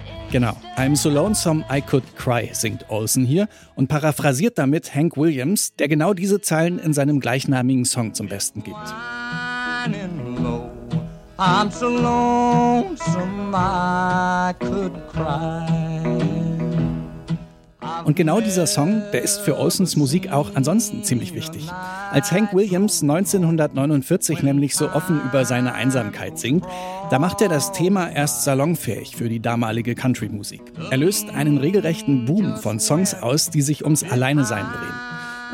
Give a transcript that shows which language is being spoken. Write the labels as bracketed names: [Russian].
[German] Genau, [English] I'm so lonesome I could cry, [German] singt Olsen hier und paraphrasiert damit Hank Williams, der genau diese Zeilen in seinem gleichnamigen Song zum Besten gibt. [English] I'm so lonesome I could cry. [German] Und genau dieser Song, der ist für Olsens Musik auch ansonsten ziemlich wichtig. Als Hank Williams 1949 nämlich so offen über seine Einsamkeit singt, da macht er das Thema erst salonfähig für die damalige Country-Musik. Er löst einen regelrechten Boom von Songs aus, die sich ums Alleinesein drehen.